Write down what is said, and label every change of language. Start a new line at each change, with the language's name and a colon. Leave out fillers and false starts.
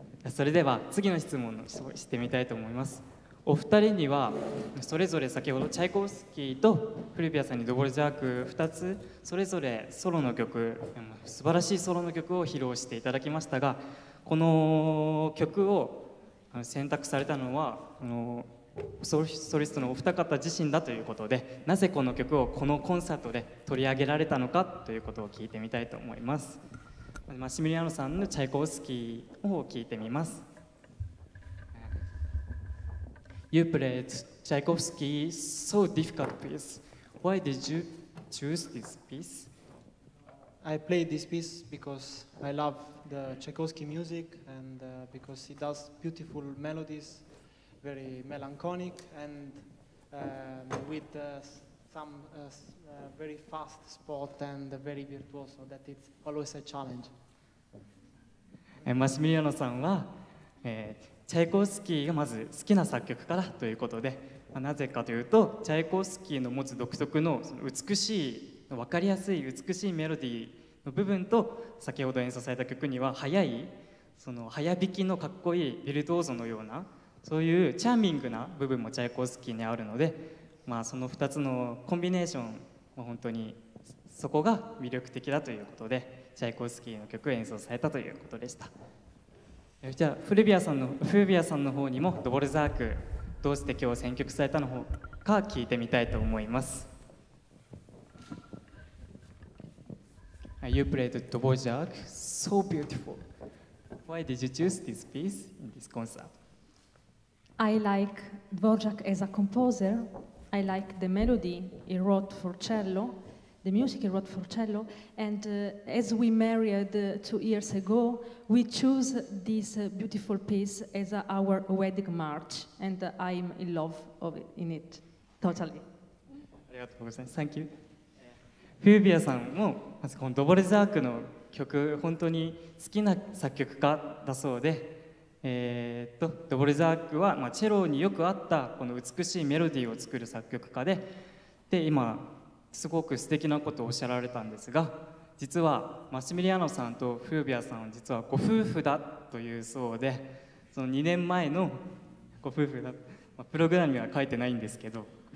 Japanese: それでは次の質問をしてみたいと思います。お二人にはそれぞれ先ほどチャイコフスキーとフルビアさんにドボルジャーク2つそれぞれソロの曲、素晴らしいソロの曲を披露していただきましたが、この曲を選択されたのはこのソリストのお二方自身だということで、なぜこの曲をこのコンサートで取り上げられたのかということを聞いてみたいと思います。マシュミリアノさんのチャイコフスキーを聞いてみます。
English: You played Tchaikovsky, so difficult piece. Why did you choose this piece? I played this piece because I love the Tchaikovsky music and because he does beautiful melodies, very melancholic and with some very fast spot and very virtuoso, that it's always a challenge.
Japanese: マシュミリアノさんは、チャイコフスキーがまず好きな作曲家だということで、まあ、なぜかというとチャイコフスキーの持つ独特 その美しい、分かりやすい美しいメロディーの部分と、先ほど演奏された曲には早弾きのかっこいいビルトーゾのようなそういうチャーミングな部分もチャイコフスキーにあるので、まあ、その2つのコンビネーションも本当にそこが魅力的だということで、チャイコフスキーの曲を演奏されたということでした。じゃあフルビアさんの方にもドボルザーク、どうして今日選曲されたのか聞いてみたいと思います。
English: You played ドボルザーク so beautiful. Why did you choose this piece in this concert? I like Dvorak as a composer. I like the melody he wrote for cello, the music he wrote for cello, and as we married 2 years ago, we chose this beautiful piece as our wedding march, and I'm in love of it, in it, totally.
Japanese: ありがとうございます。
English: Thank you.
Japanese: フービアさんも、まずこのドボルザークの曲、本当に好きな作曲家だそうで、ドボルザークは、まあ、チェロによく合ったこの美しいメロディーを作る作曲家で、で、今、すごく素敵なことをおっしゃられたんですが、実はマシュミリアノさんとフービアさんは実はご夫婦だというそうで、その2年前のご夫婦だ、まあ、プログラムには書いてないんですけど、